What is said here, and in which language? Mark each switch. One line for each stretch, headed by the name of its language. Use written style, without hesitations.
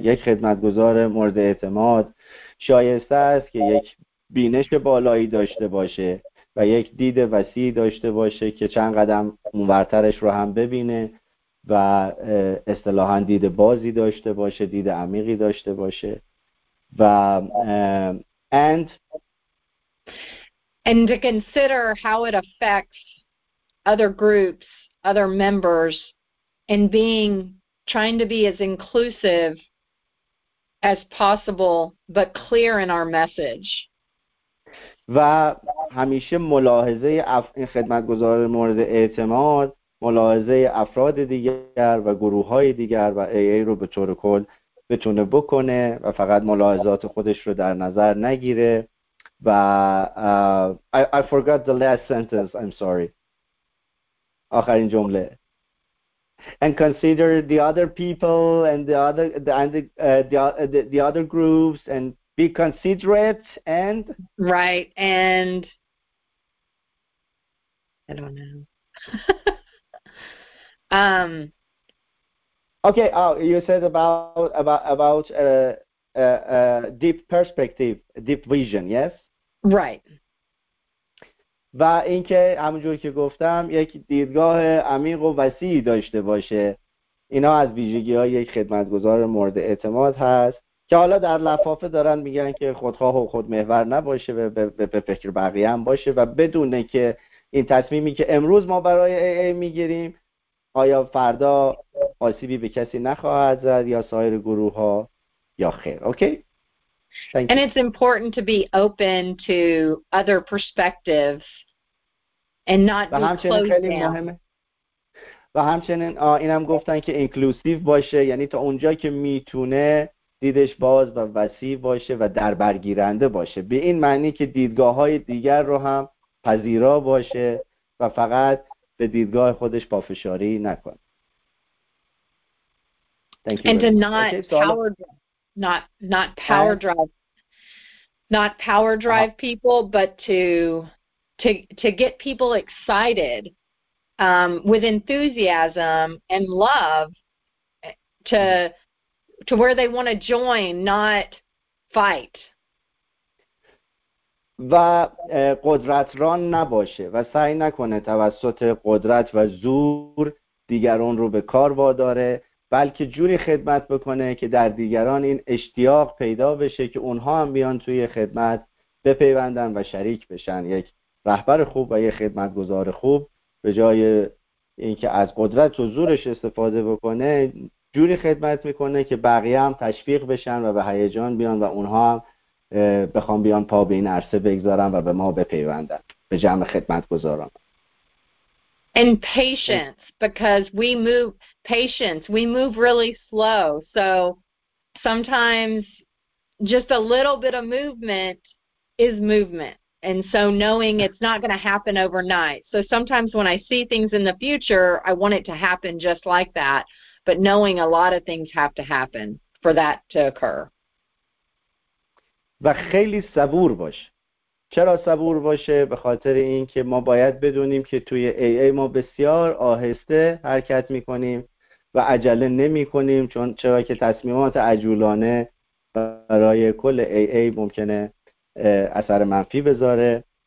Persian: یک خدمتگزار مورد اعتماد شایسته است که یک بینش بالایی داشته باشه و یک دید وسیعی داشته باشه که چند قدم اونورترش رو هم ببینه و اصطلاحاً دید بازی داشته باشه، دید عمیقی داشته باشه و
English: and to consider how it affects other groups, other members and being trying to be as inclusive as possible but clear in our message.
Persian: و همیشه ملاحظه این خدمتگزار مورد اعتماد ملاحظه افراد دیگر و گروه های دیگر و AI رو به طور کل بتونه بکنه و فقط ملاحظات خودش رو در نظر نگیره. و
English: I forgot the last sentence, I'm sorry.
Persian: آخرین جمله.
English: And consider the other people and the other the other groups and be considerate and right and I don't know. Okay. Oh, you said about deep perspective, deep vision. Yes. Right.
Persian: و اینکه همونجور که گفتم یک دیدگاه عمیق و وسیعی داشته باشه، اینا از ویژگی های یک خدمتگزار مورد اعتماد هست که حالا در لفافه دارن میگن که خودخواه و خودمحور نباشه و به فکر بقیه هم باشه و بدونه که این تصمیمی که امروز ما برای AI میگیریم آیا فردا آسیبی به کسی نخواهد زد یا سایر گروه ها یا خیر. اوکی؟
English: And it's important to be open to other perspectives and not be closed down.
Persian: خیلی مهمه. و همچنین اینم گفتن که اینکلوسیو باشه، یعنی تا اونجایی که میتونه دیدش باز و وسیع باشه و دربرگیرنده باشه، به این معنی که دیدگاه های دیگر رو هم پذیرا باشه و فقط به دیدگاه خودش پافشاری نکنه.
English: Thank you. And to not power down. Not power drive people, but to get people excited with enthusiasm and love to where they want to join, not fight.
Persian: و قدرتران نباشه و سعی نکنه توسط قدرت و زور دیگران رو به کار واداره، بلکه جوری خدمت بکنه که در دیگران این اشتیاق پیدا بشه که اونها هم بیان توی خدمت بپیوندن و شریک بشن. یک رهبر خوب و یک خدمتگزار خوب به جای اینکه از قدرت و زورش استفاده بکنه، جوری خدمت میکنه که بقیه هم تشویق بشن و به هیجان بیان و اونها هم بخوان بیان پا به این عرصه بگذارن و به ما بپیوندن، به جمع خدمتگزاران.
English: And patience, because we move really slow. So sometimes just a little bit of movement is movement. And so knowing it's not going to happen overnight. So sometimes when I see things in the future, I want it to happen just like that. But knowing a lot of things have to happen for that to occur.
Persian: و خیلی صبور باش. چرا صبور باشه؟ به خاطر این که ما باید بدونیم که توی AI ما بسیار آهسته حرکت میکنیم و عجله نمیکنیم، چون چرا که تصمیمات عجولانه برای کل AI ممکنه اثر منفی بذاره.